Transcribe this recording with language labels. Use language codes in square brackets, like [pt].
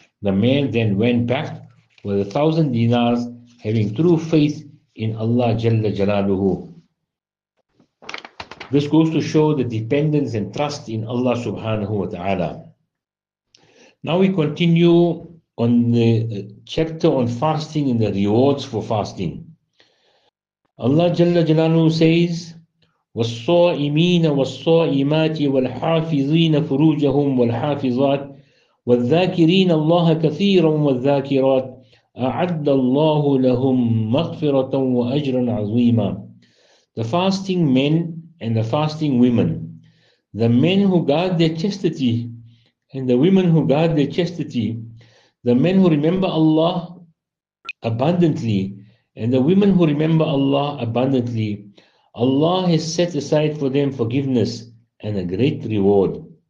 [en] The man then went back with 1,000 dinars, having true faith in Allah Jalla Jalaluhu. This goes to show the dependence and trust in Allah subhanahu wa ta'ala. Now we continue on the chapter on fasting and the rewards for fasting. Allah Jalla Jalaluhu says, [ar] وَالصَّائِمِينَ وَالصَّائِمَاتِ وَالْحَافِظِينَ فُرُوجَهُمْ وَالْحَافِظَاتِ وَالذَّاكِرِينَ اللَّهَ كَثِيرًا وَالذَّاكِرَاتِ أَعَدَّ اللَّهُ لَهُمْ مَغْفِرَةً وَأَجْرًا عَظِيمًا. [en] The fasting men and the fasting women, the men who guard their chastity and the women who guard their chastity, the men who remember Allah abundantly and the women who remember Allah abundantly, Allah has set aside for them forgiveness and a great reward.